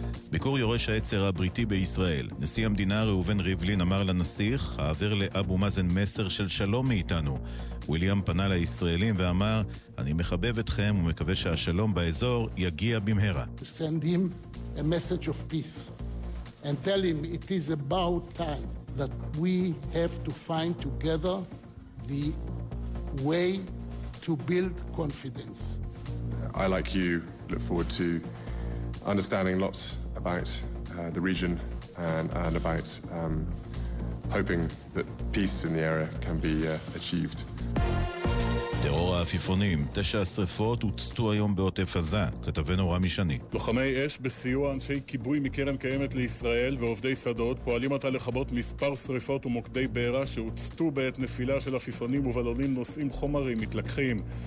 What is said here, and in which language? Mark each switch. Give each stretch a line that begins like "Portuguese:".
Hebrew: ביקור יורש העצר הבריטי בישראל, נשיא המדינה ראובן ריבלין אמר לנסיך, העביר לאבו מאזן מסר של שלום מאיתנו. וויליאם פנה לישראלים ואמר, אני מחבב אתכם ומקווה שהשלום באזור יגיע במהרה.
English: Send him a message of peace and tell him it is about time that we have to find together the way to build confidence. I, like you, look forward to understanding lots about the region and about hoping that peace in the area can be achieved.
Hebrew: טרור העפיפונים, 9 שריפות הוצטו היום בעוטף עזה, כתבנו רמי שני. לוחמי אש בסיוע אנשי כיבוי מקרן קיימת לישראל ועובדי שדות פועלים עתה לחבות מספר שריפות ומוקדי בערה שהוצטו בעת נפילה של עפיפונים ובלונים נושאים חומרים מתלקחים.